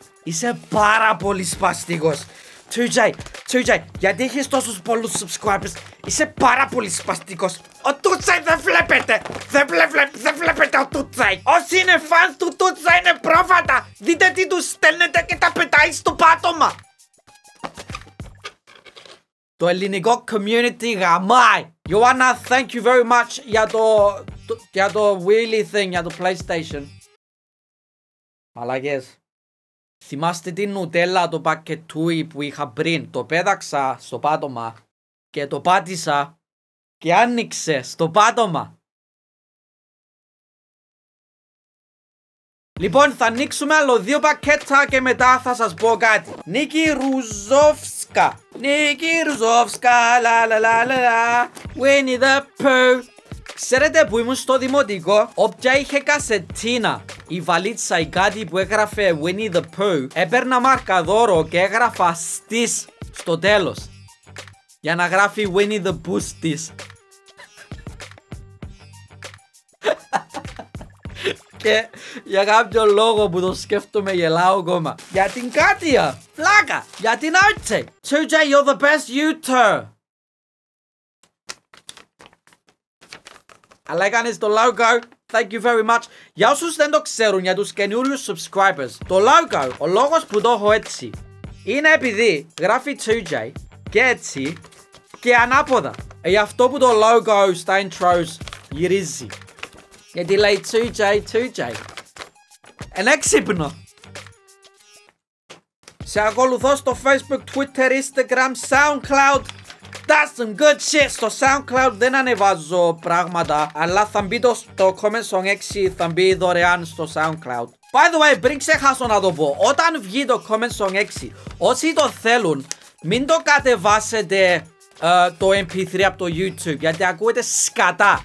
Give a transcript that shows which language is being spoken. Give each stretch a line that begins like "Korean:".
Greek: Είσαι πάρα πολύ σπαστικός. 2J, 2J, γιατί έχεις τόσους πολλούς subscribers, είσαι πάρα πολύ σπαστικός. Ο Τουτσάι δεν βλέπετε, δεν βλέπετε ο Τουτσάι. Όσοι είναι fans του Τουτσάι είναι πρόβατα, δείτε τι τους στέλνετε και τα πετάει στο πάτωμα. Το ελληνικό community γαμάει. Ιωάννα,
English: thank you very much
Greek: για το wheelie thing, για το PlayStation. Μαλάκες. Θυμάστε την νουτέλα το πακετούι που είχα πριν. Το πέταξα στο πάτωμα και το πάτησα και άνοιξε στο πάτωμα. Λοιπόν, θα ανοίξουμε άλλο δύο πακέτα και μετά θα σας πω κάτι. Νίκη Ρουζόφσκα. Νίκη Ρουζόφσκα, λα λα λα λα λα. Winnie the Pooh. Ξέρετε που ήμουν στο δημοτικό, όποια είχε κασετίνα η βαλίτσα ή κάτι που έγραφε Winnie the Pooh, έπαιρνα μάρκα δώρο και έγραφα στις στο τέλος. Για να γράφει Winnie the Pooh στις. Και για κάποιο λόγο που το σκέφτομαι γελάω ακόμα. Για την Κάτια, φλάκα, για την Άρτσε.
English: 2J, you're the best YouTuber.
Greek: Αλλά έκανες το logo,
English: thank you very much.
Greek: Για όσους δεν το ξέρουν, για τους καινούριους subscribers, το logo, ο λόγος που το έχω έτσι, είναι επειδή γράφει 2J και έτσι και ανάποδα. Γι' αυτό που το logo στα intros γυρίζει. Γιατί λέει 2J, 2J. Είναι έξυπνο. Σε ακολουθώ στο Facebook, Twitter, Instagram, SoundCloud.
English: That's some good shit.
Greek: Στο SoundCloud δεν ανεβάζω πράγματα, αλλά θα μπει το comment song 6, θα μπει δωρεάν στο SoundCloud.
English: By the way,
Greek: πριν ξεχάσω να το πω, όταν βγει το comment song 6, όσοι το θέλουν, μην το κατεβάσετε το MP3 από το YouTube, γιατί ακούγεται σκατά.